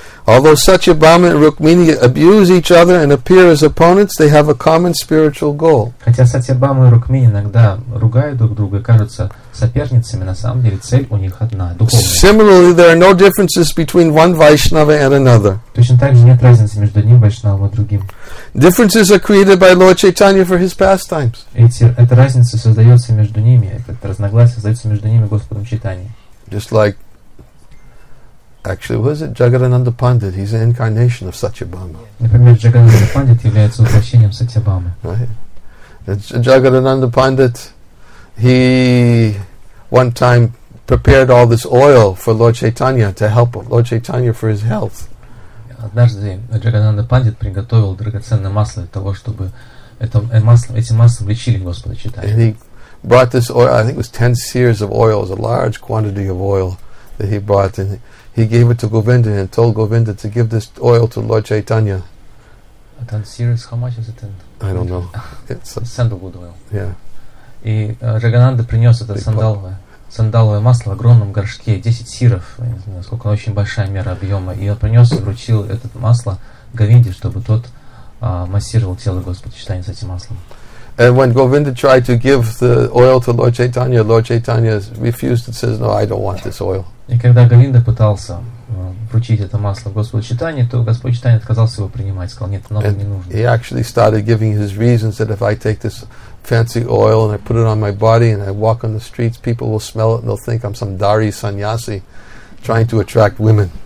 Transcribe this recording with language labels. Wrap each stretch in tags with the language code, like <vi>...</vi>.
<en>Although Satyabhama and Rukmini abuse each other and appear as opponents, they have a common spiritual goal.</en> <ru>Хотя Сатьябхама и Рукмини иногда ругают друг друга и кажутся соперницами, на самом деле цель у них одна, духовная.</ru> <en>Similarly, there are no differences between one Vaishnava and another.</en> <ru>Точно так же нет разницы между одним Вайшнавом и другим.</ru> <en>Differences are created by Lord Chaitanya for his pastimes.</en> <ru>Эта разница создается между ними, это разногласие создается между ними Господом Чайтаньей.</ru> <en>Just like actually, who is it? Jagadananda Pandit. He's an incarnation of Satyabhama.</en> <ru>Например, Jagadananda Пандит является воплощением Сатьябамы.</ru> <en>Right. Jagadananda Pandit, he one time prepared all this oil for Lord Chaitanya to help Lord Chaitanya for his health.</en> <ru>Однажды Джагадананда Пандит приготовил драгоценное масло для того, чтобы этим маслом лечили Господа Чайтанью.</ru> <en>And he brought this oil, I think it was 10 seers of oil, it was a large quantity of oil that he brought, and he gave it to Govinda and told Govinda to give this oil to Lord Chaitanya. A 10 seers, how much is it? In? I don't know. It's a sandalwood oil. Yeah.</en> <ru>И Джагадананда принес это сандаловое масло в огромном горшке, 10 сиров, я не знаю, сколько, очень большая мера объема, и он принес и вручил это масло Говинде, чтобы тот массировал тело Господа Чайтаньи с этим маслом.</ru> <en>And when Govinda tried to give the oil to Lord Chaitanya refused and says, no, I don't want this oil.</en> <ru>И когда Говинда пытался вручить это масло Господу Чайтаньи, то Господь Чайтаньи отказался его принимать, сказал, нет, оно не нужно.</ru> <en>He actually started giving his reasons that if I take this fancy oil and I put it on my body and I walk on the streets, people will smell it and they'll think I'm some Dari sannyasi trying to attract women.</en>